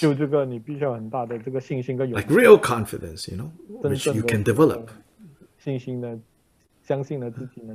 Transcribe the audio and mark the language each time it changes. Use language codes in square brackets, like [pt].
[zh] 就这个你必须要很大的这个信心跟勇气, [en] like real confidence, you know, which you can develop. [zh] 信心呢, 相信呢自己能够,